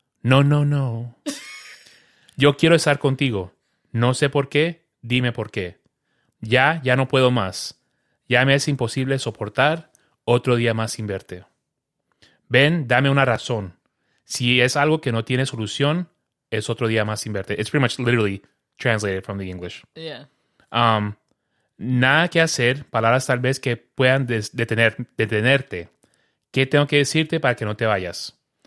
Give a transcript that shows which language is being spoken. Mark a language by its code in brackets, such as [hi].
[es] No, no, no. Yo quiero estar contigo. No sé por qué, dime por qué. Ya no puedo más. Ya me es imposible soportar otro día más sin verte. Ven, dame una razón. Si es algo que no tiene solución, es otro día más sin verte. [en] It's pretty much literally translated from the English. Yeah. [es] Nada que hacer, palabras tal vez que puedan detenerte. ¿Qué tengo que decirte para que no te vayas?